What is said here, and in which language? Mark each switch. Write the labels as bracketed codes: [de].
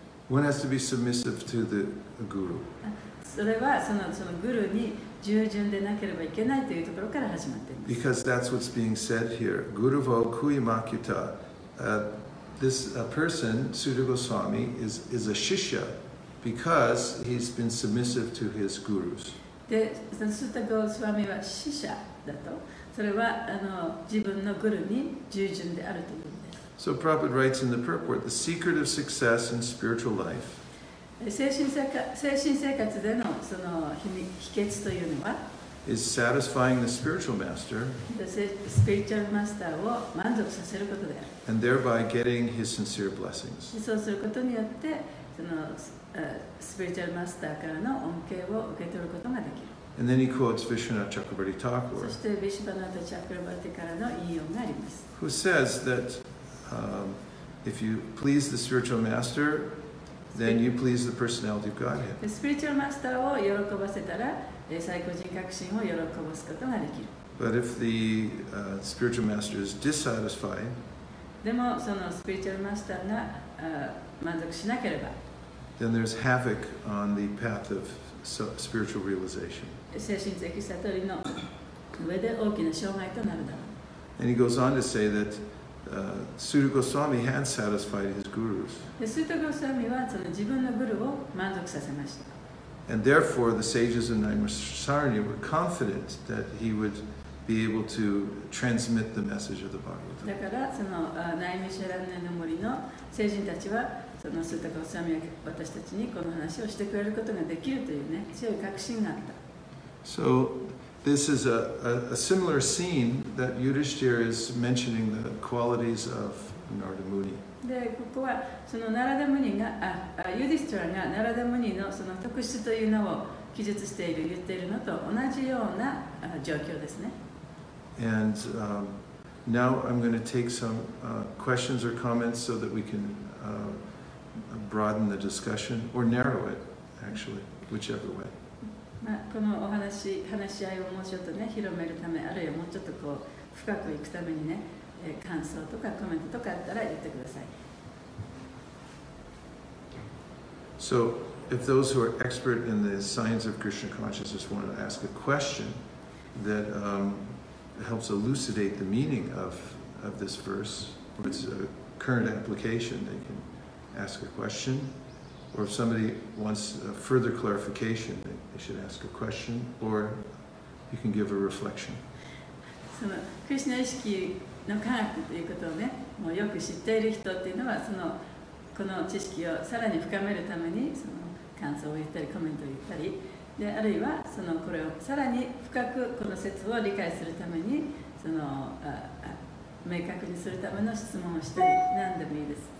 [en] one has to be submissive to the guru. [ja] それはそのグルに従順でなければいけないというところから始まっています。 [en] Because that's what's being said here. Guruvo kuyamakyuta. This person, Suta Goswami, is a shishya because he's been submissive to his gurus. [ja] で、Suta Goswami は shishya だと。それは自分のグルに従順であるということです。 [en] So Prabhupada writes in the purport, the secret of success in spiritual life. [ja] 精神生活での秘訣というのは [en] is satisfying the spiritual master [ja] spiritual master を満足させることである [en] and thereby getting his sincere blessings [ja] そうすることによってその spiritual master からの恩恵を受け取ることができる [en] and then he quotes Vishwanath Chakrabarti Thakur [ja] そして Vishwanath Chakrabarti からの引用があります [en] who says that if you please the spiritual masterThen you please the personality of Godhead. [ja] The spiritual master を喜ばせたら、最高人格神を喜ばすことができる。 [en] But if the spiritual master is dissatisfied, [ja] でもそのスピリチュアルマスターが満足しなければ、 [en] then there's havoc on the path of spiritual realization. [ja] 精神的悟りの上で大きな障害となるだろう。 [en] And he goes on to say that. Suta Goswami had satisfied his gurus. [ja] Suta Goswami はその自分のグルを満足させました。 [en] And therefore, the sages of Naimasarnya were confident that he would be able to transmit the message of the Bhagavatam. [ja] だからそのNaimasarnya の森の聖人たちはそのSuta Goswami が私たちにこの話をしてくれることができるというね強い確信があった。 [en] So. This is a similar scene that Yudhishthira is mentioning the qualities of Narada Muni. [ja] で、ここはそのナラダムニが、ユディシュラがナラダムニのその特質というのを記述している、言っているのと同じような状況ですね。 [en] And now I'm going to take some questions or comments so that we can broaden the discussion or narrow it, actually, whichever way. [ja] まあ、このお話し合いをもうちょっとね広めるためあるいはもうちょっとこう深くいくためにね感想とかコメントとかあったら言ってください。 [en] So, if those who are expert in the science of Krishna consciousness want to ask a question that helps elucidate the meaning of this verse, or its a current application, they can ask a question. Or if somebody wants a further clarification, they should ask a question, or you can give a reflection. [ja] So, Krishna 意識の科学ということをね、もうよく知っている人っていうのは、そのこの知識をさらに深めるためにその感想を言ったりコメントを言ったりで、あるいはそのこれをさらに深くこの説を理解するためにその明確にするための質問をしたり、何でもいいです。